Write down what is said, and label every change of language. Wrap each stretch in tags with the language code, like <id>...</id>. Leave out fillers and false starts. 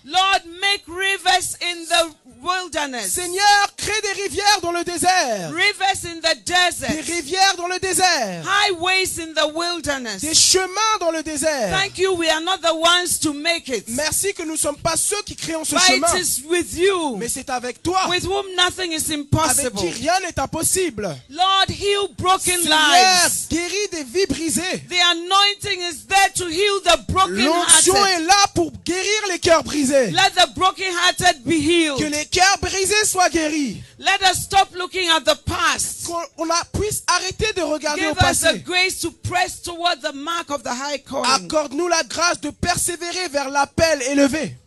<en>Lord, make rivers in the wilderness.</en> <fr>Seigneur, crée des rivières dans le désert.</fr> <en>Rivers in the desert.</en> <fr>Des rivières dans le désert.</fr> <en>Highways in the wilderness.</en> <fr>Des chemins dans le désert.</fr> <en>Thank you, we are not the ones to make it.</en> <fr>Merci que nous ne sommes pas ceux qui créons ce</fr> <en>But</en> <fr>chemin.</fr> <en>It is with you.</en> <fr>Mais c'est avec toi.</fr> <en>With whom nothing is impossible.</en> <fr>Avec qui rien n'est impossible.</fr> <en>Lord, heal broken</en> <fr>Seigneur,</fr> <en>lives.</en> <fr>Seigneur, guéris des vies brisées.</fr> <en>The anointing is there to heal the broken hearted.</en> <fr>L'onction est là pour guérir les cœurs brisés.</fr> <en>Let the broken hearted be healed.</en> <fr>Que les cœurs brisés soient guéris.</fr> <en>Let us stop looking at the past.</en> <fr>Qu'on puisse arrêter de regarder</fr> <en>Give</en> <fr>au passé.</fr> <en>Give us the grace to press toward the mark of the high calling.</en> <fr>Accorde-nous la grâce de persévérer vers l'appel élevé.</fr>